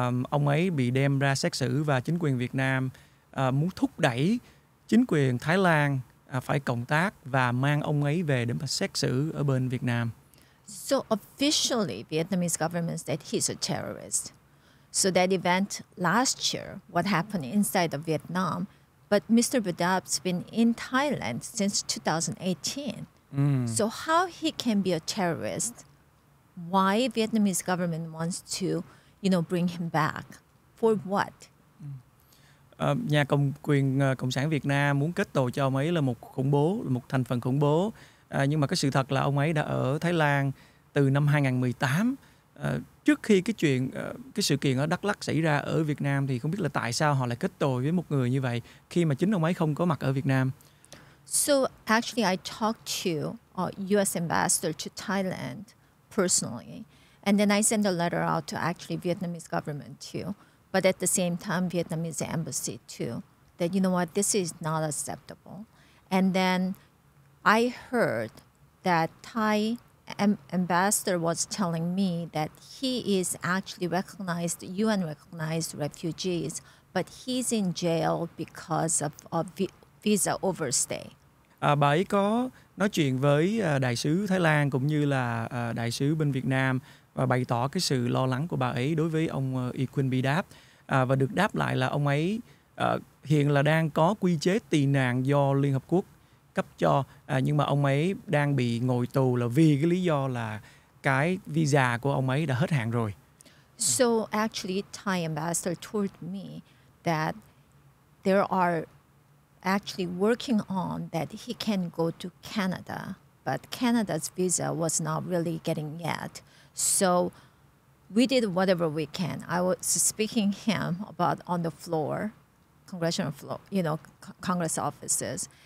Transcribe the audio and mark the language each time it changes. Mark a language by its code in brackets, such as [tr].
[vi] Ông ấy bị đem ra xét xử và chính quyền Việt Nam muốn thúc đẩy chính quyền Thái Lan phải cộng tác và mang ông ấy về để mà xét xử ở bên Việt Nam. [en] So officially, Vietnamese government said he's a terrorist. So that event last year, what happened inside of Vietnam, but Mr. Bidap's been in Thailand since 2018. So how he can be a terrorist? Why Vietnamese government wants to, you know, bring him back? For what? [vi] Nhà cầm quyền Cộng sản Việt Nam muốn kết tội cho ông ấy là một khủng bố, là một thành phần khủng bố. Nhưng mà cái sự thật là ông ấy đã ở Thái Lan từ năm 2018. Trước khi cái chuyện, cái sự kiện ở Đắk Lắk xảy ra ở Việt Nam thì không biết là tại sao họ lại kết tội với một người như vậy khi mà chính ông ấy không có mặt ở Việt Nam. [en] So actually I talked to US ambassador to Thailand personally and then I sent a letter out to actually Vietnamese government too. But at the same time, Vietnamese embassy too, that you know what, this is not acceptable. And then I heard that Thai ambassador was telling me that he is actually recognized, UN recognized refugees, but he's in jail because of a visa overstay. [vi] Bà ấy có nói chuyện với đại sứ Thái Lan cũng như là đại sứ bên Việt Nam và bày tỏ cái sự lo lắng của bà ấy đối với ông Yquin Bidap. Và được đáp lại là ông ấy hiện là đang có quy chế tị nạn do Liên Hợp Quốc cấp cho, nhưng mà ông ấy đang bị ngồi tù là vì cái lý do là cái visa của ông ấy đã hết hạn rồi. [en] So actually Thai ambassador told me that there are actually working on that he can go to Canada, but Canada's visa was not really getting yet. So we did whatever we can. I was speaking him about on the floor, congressional floor, you know, Congress offices.